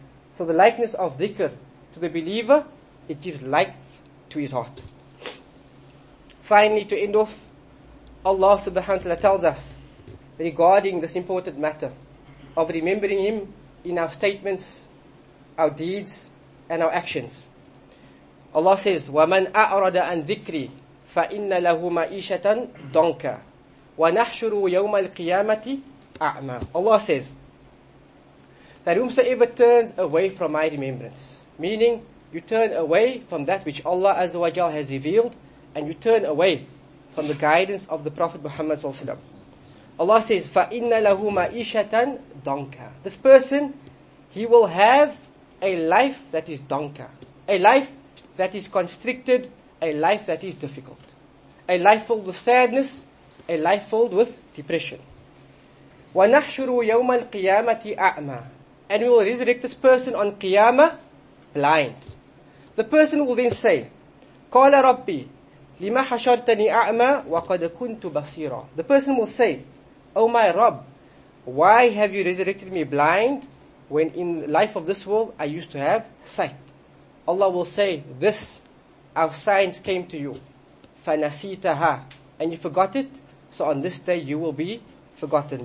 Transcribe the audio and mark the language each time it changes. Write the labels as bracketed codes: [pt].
[en] So the likeness of dhikr to the believer, it gives life to his heart. Finally, to end off, Allah subhanahu wa ta'ala tells us regarding this important matter of remembering him in our statements, our deeds, and our actions. [ar] Allah says, وَمَنْ أَعْرَدَ عَنْ ذِكْرِي فَإِنَّ لَهُ مَعِيشَةً ضَنكًا وَنَحْشُرُ يَوْمَ الْقِيَامَةِ أَعْمَى. [en] Allah says that whomsoever turns away from my remembrance, meaning you turn away from that which Allah Azza wa Jal has revealed, and you turn away from the guidance of the Prophet Muhammad sallallahu alaihi wasallam. [ar] Allah says, فَإِنَّ لَهُ مَعِيشَةً ضَنكًا. [en] This person, he will have a life that is donka, a life that is constricted, a life that is difficult, a life filled with sadness, a life filled with depression. وَنَحْشُرُ يَوْمَ الْقِيَامَةِ أَعْمَى. And we will resurrect this person on Qiyamah blind. [ar] The person will then say, قَالَ رَبِّي لِمَا حَشَرْتَنِي أَعْمَى وَقَدْ كُنْتُ بَصِيرًا. [en] The person will say, oh my Rabb, why have you resurrected me blind when in life of this world I used to have sight? Allah will say, this, our signs came to you, فَنَسِيتَهَا, and you forgot it, so on this day you will be forgotten.